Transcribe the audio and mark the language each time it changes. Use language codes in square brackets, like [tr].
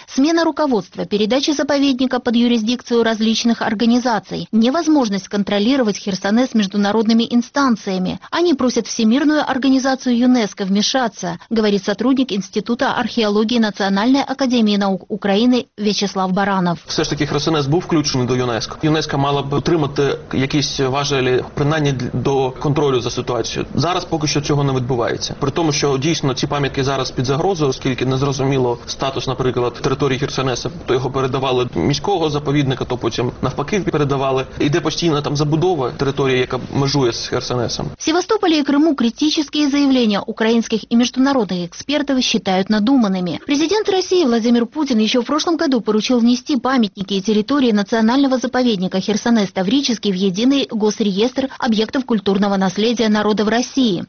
[ru] Смена руководства, передача заповедника под юрисдикцию различных организаций, невозможность контролировать Херсонес международными инстанциями. Они просят Всемирную организацию ЮНЕСКО вмешаться, говорит сотрудник Института археологии Национальной академии наук Украины Вячеслав Баранов. [uk] Все ж таки Херсонес був включений до ЮНЕСКО. ЮНЕСКО мала б отримати якісь важелі принаймні до контролю за ситуацією. Зараз поки що цього не відбувається. При тому, що дійсно ці пам'ятки зараз під загрозою, оскільки незрозуміло статус, наприклад, території Херсонеса, то його передавали міського заповідника, то потім навпаки передавали. Іде постійна там забудова території, яка межує з Херсонесом. [ru] В Севастополе и Крыму критические заявления украинских и международных экспертов считают надуманными. Президент России Владимир Путин еще в прошлом году поручил внести памятники и территории национального заповедника Херсонес-Таврический в единый госреестр объектов культурного наследия народов России.